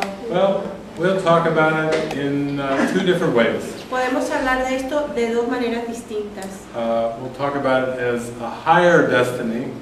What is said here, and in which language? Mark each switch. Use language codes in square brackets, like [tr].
[en] Well, we'll talk about it in two different ways. [es] Podemos hablar de esto de dos maneras distintas. [en] We'll talk about it as a higher destiny.